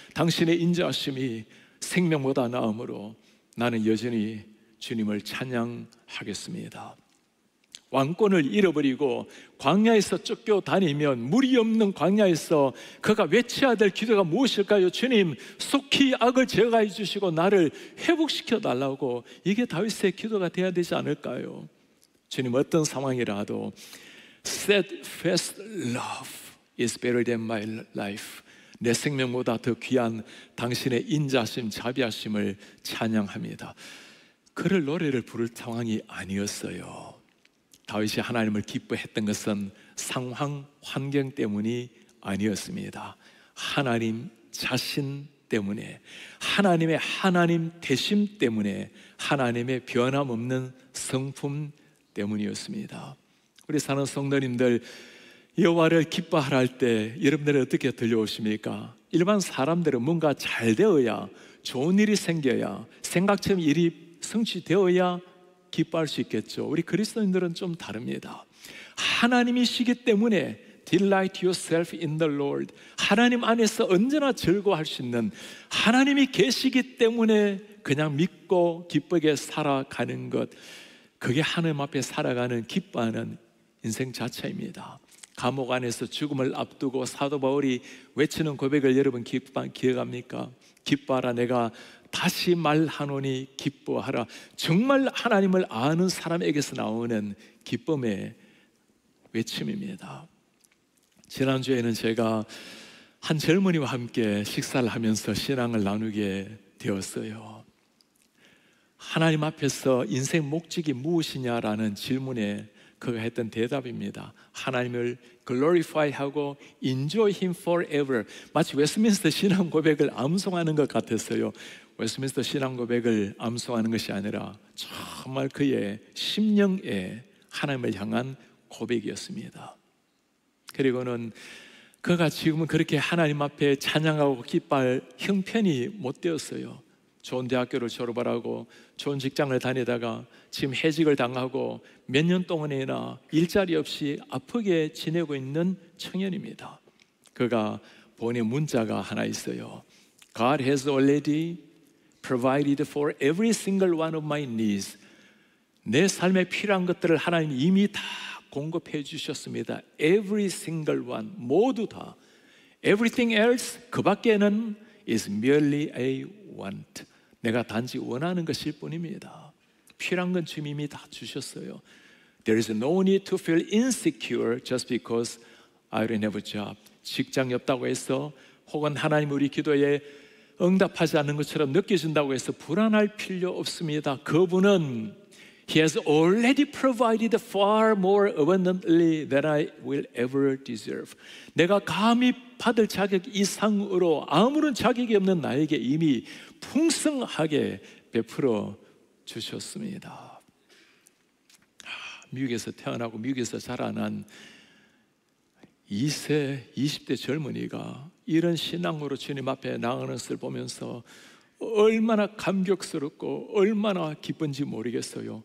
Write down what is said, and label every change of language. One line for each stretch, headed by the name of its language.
Korean: 당신의 인자하심이 생명보다 나음으로 나는 여전히 주님을 찬양하겠습니다. 왕권을 잃어버리고 광야에서 쫓겨다니면 물이 없는 광야에서 그가 외쳐야 될 기도가 무엇일까요? 주님, 속히 악을 제거해 주시고 나를 회복시켜 달라고. 이게 다윗의 기도가 돼야 되지 않을까요? 주님, 어떤 상황이라도
English: steadfast love is better than my life.
Korean: 내 생명보다 더 귀한 당신의 인자심, 자비하심을 찬양합니다. 그를 노래를 부를 상황이 아니었어요. 다윗이 하나님을 기뻐했던 것은 상황, 환경 때문이 아니었습니다. 하나님 자신 때문에, 하나님의 하나님 되심 때문에, 하나님의 변함없는 성품 때문이었습니다. 우리 사는 성도님들, 여호와를 기뻐하라 할 때 여러분들은 어떻게 들려오십니까? 일반 사람들은 뭔가 잘 되어야, 좋은 일이 생겨야, 생각처럼 일이 성취되어야 기뻐할 수 있겠죠. 우리 그리스도인들은 좀 다릅니다. 하나님이시기 때문에
English: Delight yourself in the Lord.
Korean: 하나님 안에서 언제나 즐거워할 수 있는, 하나님이 계시기 때문에 그냥 믿고 기쁘게 살아가는 것, 그게 하나님 앞에 살아가는 기뻐하는 인생 자체입니다. 감옥 안에서 죽음을 앞두고 사도 바울이 외치는 고백을 여러분 기억합니까? 기뻐하라, 내가 다시 말하노니 기뻐하라. 정말 하나님을 아는 사람에게서 나오는 기쁨의 외침입니다. 지난주에는 제가 한 젊은이와 함께 식사를 하면서 신앙을 나누게 되었어요. 하나님 앞에서 인생 목적이 무엇이냐라는 질문에 그가 했던 대답입니다. 하나님을
English: glorify하고 enjoy him forever.
Korean: 마치 웨스민스터 신앙 고백을 암송하는 것 같았어요. 웨스민스터 신앙 고백을 암송하는 것이 아니라 정말 그의 심령에 하나님을 향한 고백이었습니다. 그리고는 그가 지금은 그렇게 하나님 앞에 찬양하고 기뻐할 형편이 못 되었어요. 좋은 대학교를 졸업을 하고 좋은 직장을 다니다가 지금 해직을 당하고 몇 년 동안이나 일자리 없이 아프게 지내고 있는 청년입니다. 그가 보낸 문자가 하나 있어요.
English: God has already provided for every single one of my needs.
Korean: 내 삶에 필요한 것들을 하나님 이미 다 공급해 주셨습니다.
English: Every single one,
Korean: 모두 다.
English: Everything else,
Korean: 그 밖에는
English: is merely a want.
Korean: 내가 단지 원하는 것일 뿐입니다. 필요한 건 주님 이미 다 주셨어요.
English: There is no need to feel insecure just because I already have a job.
Korean: 직장이 없다고 해서, 혹은 하나님 우리 기도에 응답하지 않는 것처럼 느껴진다고 해서 불안할 필요 없습니다. 그분은
English: He has already provided far more abundantly than I will ever deserve.
Korean: 내가 감히 받을 자격 이상으로 아무런 자격이 없는 나에게 이미 풍성하게 베풀어 주셨습니다. 미국에서 태어나고 미국에서 자라난 2세, 20대 젊은이가 이런 신앙으로 주님 앞에 나가는 것을 보면서 얼마나 감격스럽고 얼마나 기쁜지 모르겠어요.